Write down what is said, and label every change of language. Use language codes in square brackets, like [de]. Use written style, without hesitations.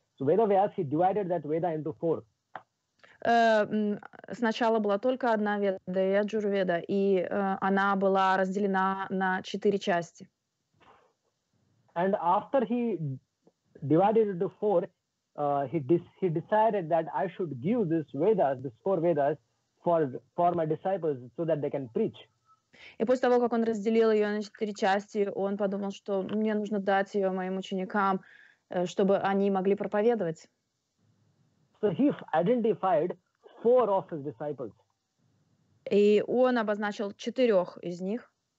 [en] So Vedavyas, he divided that Veda into four. [ru] Сначала была только одна Веда, Яджурведа, и она была разделена на четыре части. [en] And after he divided into four, he decided that I should give this Veda, these four Vedas, for my disciples, so that they can preach. [ru] И после того, как он разделил ее на четыре части, он подумал, что мне нужно дать ее моим ученикам, чтобы они могли проповедовать. [en] So he identified four of his disciples. [ru] И он обозначил четырех из них.